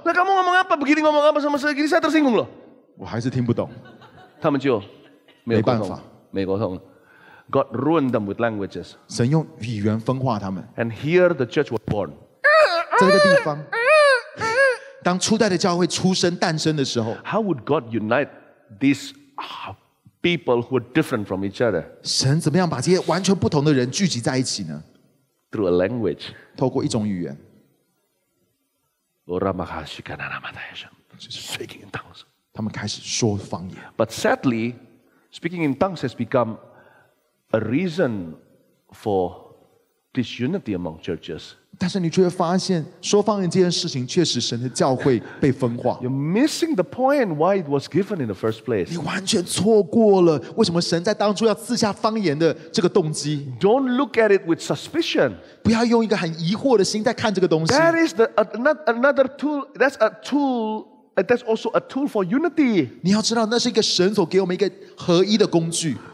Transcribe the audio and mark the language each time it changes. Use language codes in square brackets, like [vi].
[id] 那kamu ngomong apa? Begini ngomong apa sama saya? Gini saya tersinggung loh. [zh] 我还是听不懂。他们就没办法，没沟通。 [en] God ruined them with languages. [zh] 神用语言分化他们。 [en] And here the church was born. [zh] 在这个地方，当初代的教会出生诞生的时候 [en] ，How would God unite these people who are different from each other? [zh] 神怎么样把这些完全不同的人聚集在一起呢？ [en] Through a language, [zh] 透过一种语言。 [id] Orang mengasihkan nama Tuhan, [en] speaking in tongues. [zh] 他们开始说方言。 [en] But sadly, speaking in tongues has become a reason for disunity among churches. [zh] 但是你却发现，说方言这件事情确实神的教会被分化。 [en] You're missing the point why it was given in the first place. [zh] 你完全错过了为什么神在当初要赐下方言的这个动机。 [en] Don't look at it with suspicion. [zh] 不要用一个很疑惑的心在看这个东西。 [en] That is the another tool. That's a tool. That's also a tool for unity. [zh] 你要知道，那是一个神所给我们一个合一的工具。